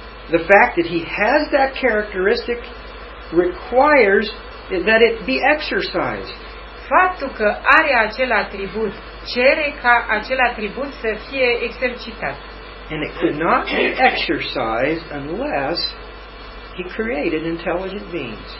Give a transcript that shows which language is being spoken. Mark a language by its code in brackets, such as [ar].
[en] The fact that he has that characteristic requires that it be exercised. [ro] Faptul că are acel atribut cere ca acel atribut să fie exercitat. [en] And it could not be exercised unless he created intelligent beings.